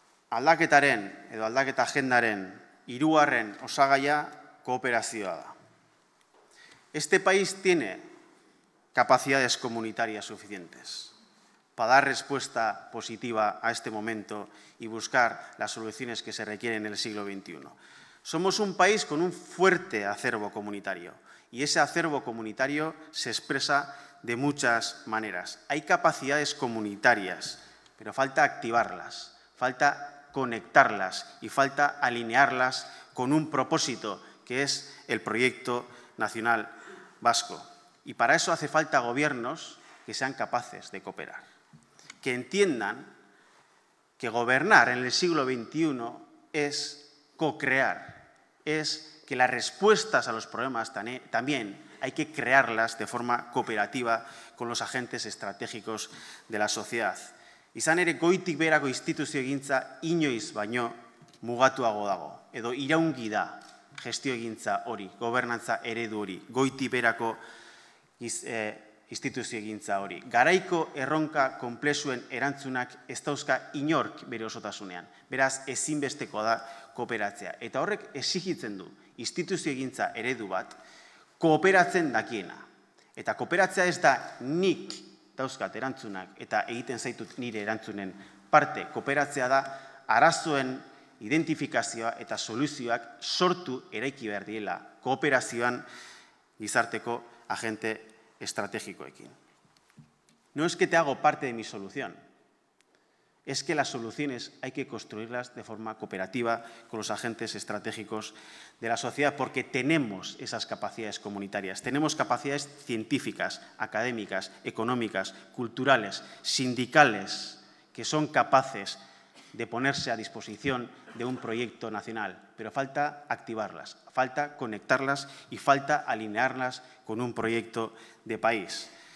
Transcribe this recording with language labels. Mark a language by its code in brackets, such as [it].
[eu] Aldaketaren edo aldaketa agendaren hirugarren osagaia kooperazioa da. [es] Este país tiene capacidades comunitarias suficientes para dar respuesta positiva a este momento y buscar las soluciones que se requieren en el siglo XXI. Somos un país con un fuerte acervo comunitario y ese acervo comunitario se expresa de muchas maneras. Hay capacidades comunitarias, pero falta activarlas, falta conectarlas y falta alinearlas con un propósito, que es el proyecto nacional vasco. Y para eso hace falta gobiernos que sean capaces de cooperar, que entiendan que gobernar en el siglo XXI es co-crear, es que las respuestas a los problemas también hay que crearlas de forma cooperativa con los agentes estratégicos de la sociedad. [eu] Izan ere, goitik berako instituzio egintza inoiz baino mugatuago dago. Edo iraungi da gestio egintza hori, gobernantza eredu hori, goitik berako instituzio egintza hori. Garaiko erronka konplexuen erantzunak ez dauzka inork bere osotasunean. Beraz, ezinbesteko da kooperatzea. Eta horrek exigitzen du instituzio egintza eredu bat kooperatzen dakiena. Eta kooperatzea ez da nik dauzkat erantzunak eta egiten zaitut nire erantzunen parte, kooperatzea da arazoen identifikazioa eta soluzioak sortu eraiki behar diela kooperazioan gizarteko agente estrategikoekin. [es] No es que te hago parte de mi solución, es que las soluciones hay que construirlas de forma cooperativa con los agentes estratégicos de la sociedad, porque tenemos esas capacidades comunitarias, tenemos capacidades científicas, académicas, económicas, culturales, sindicales, que son capaces de ponerse a disposición de un proyecto nacional, pero falta activarlas, falta conectarlas y falta alinearlas con un proyecto de país.